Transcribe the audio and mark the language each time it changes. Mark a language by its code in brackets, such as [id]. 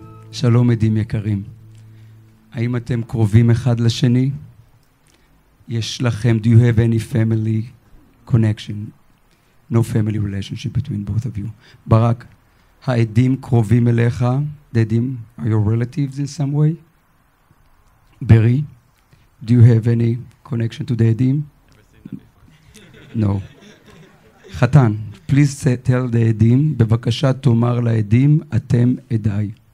[he] שלום עדים יקרים, האם אתם קרובים אחד לשני? יש לכם, [en] do you have any family connection? No family relationship between both of you. ברק, [he] העדים קרובים אליך, העדים, [en] are your relatives in some way? ברי, do you have any connection to the עדים? No. [he] חתן, [en] please say, tell the [he] עדים, בבקשה תאמר לעדים, אתם עדיי.